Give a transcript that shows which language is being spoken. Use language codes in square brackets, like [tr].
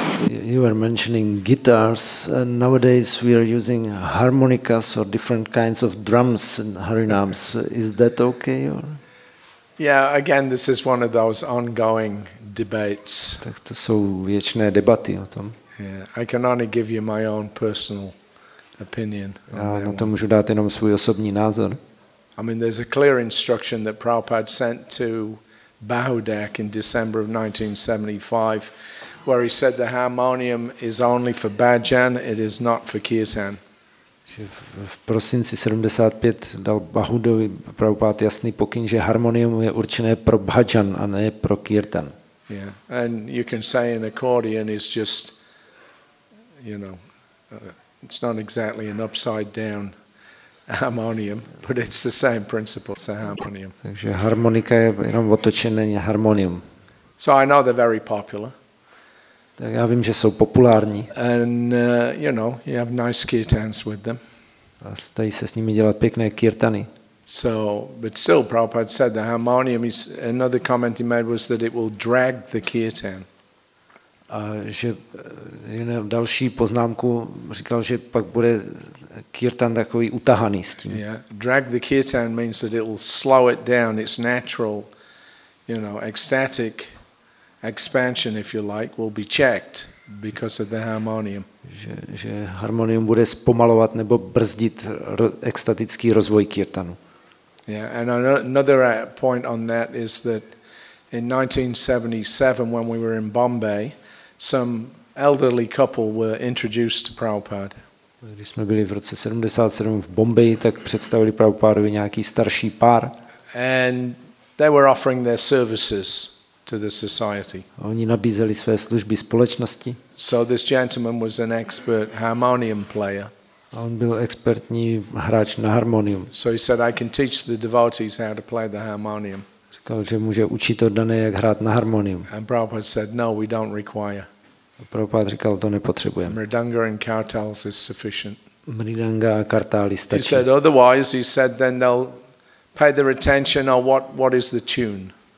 [en] You were mentioning guitars, and nowadays we are using harmonicas or different kinds of drums in Harinams. Is that okay? Or? Yeah, again, this is one of those ongoing debates. [cs] Tak to jsou věčné debaty o tom. [en] Yeah, I can only give you my own personal opinion. [cs] Já na to můžu dát jenom svůj osobní názor. [en] I mean, there's a clear instruction that Prabhupada sent to Bahudak in December of 1975, where he said the harmonium is only for bhajan, it is not for kirtan. [cs] V prosinci 75 dal Bahudovi Prabhupada jasný pokyn, že harmonium je určené pro bhajan a ne pro kirtan. [en] Yeah, and you can say an accordion is just, you know, it's not exactly an upside down harmonium, but it's the same principle, it's a harmonium. [cs] Takže harmonika je jenom otočené harmonium. [en] So I know they're very popular. [cs] Tak já vím, že jsou populární. [en] And, you know, you have nice kirtans with them. [cs] A stají se s nimi dělat pěkné kirtany. [en] So, but still, Prabhupada said the harmonium. Is, another comment he made was that it will drag the kirtan. [cs] Že jen další poznámku říkal, že pak bude kirtan takový utahaný s tím. [en] Yeah, drag the kirtan means that it will slow it down. Its natural, you know, ecstatic expansion, if you like, will be checked because of the harmonium. [cs] Že harmonium bude zpomalovat nebo brzdit extatický rozvoj kirtanu. [en] Yeah, and another point on that is that in 1977, when we were in Bombay, some elderly couple were introduced to Prabhupada. [cs] Když jsme byli v roce 77 v Bombaji, tak představili Prabhupádovi nějaký starší pár. [en] And they were offering their services to the society. [cs] Oni nabízeli své služby společnosti. [en] So this gentleman was an expert harmonium player. [cs] On byl expertní hráč na harmonium. [en] So he said, I can teach the devotees how to play the harmonium. [cs] Říkal, že může učit oddané, jak hrát na harmonium. [en] And Prabhupada said, no, we don't require. [cs] Prabhupada říkal, to nepotřebujeme. [en] Mridanga and kartals is sufficient. [cs] Mridanga a kartály stačí. [en] He said, otherwise, he said, then they'll pay their attention on what is the tune.